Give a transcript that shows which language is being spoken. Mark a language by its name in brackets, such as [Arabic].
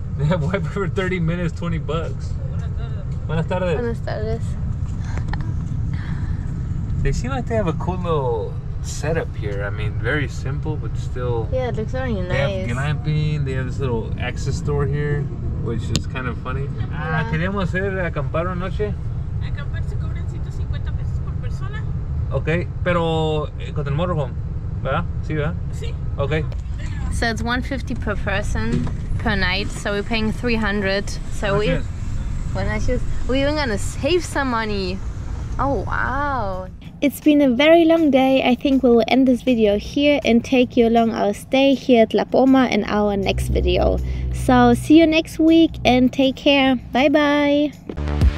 [English] They have Wi-Fi for 30 minutes, 20 bucks. [Spanish] Buenas tardes. Buenas tardes. [English] They seem like they have a cool little setup here. I mean, very simple, but still. Yeah, it looks very nice. They have glamping. They have this little access store here, which is kind of funny. [Spanish] Ah, queremos ir a acampar una noche. Acampar se cobran 150 pesos por persona. Okay, pero con el motorhome. [English] Yeah, see that? Okay. So it's 150 per person per night, so we're paying 300. So we're even gonna save some money. Oh wow. It's been a very long day. I think we'll end this video here and take you along our stay here at La Poma in our next video. So see you next week and take care. Bye bye.